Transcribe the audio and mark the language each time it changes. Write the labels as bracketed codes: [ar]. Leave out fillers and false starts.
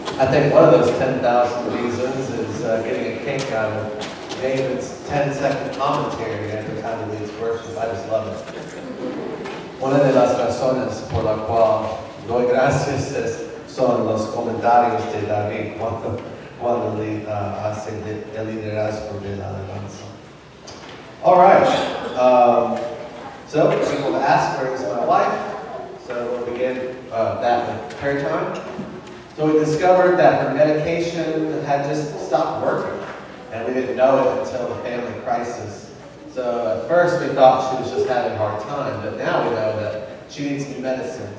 [en] think one of those 10,000 reasons is getting a kink out of David's 10-second commentary at the time of Leeds worship. I just love it. [es] Una de las razones por la cual doy gracias es son los comentarios de David cuando le hace el liderazgo de la alabanza. [en] All right. So people have asked where is my wife. So we'll begin that with prayer time. So we discovered that her medication had just stopped working, and we didn't know it until the family crisis. So at first we thought she was just having a hard time, but now we know that she needs new medicine.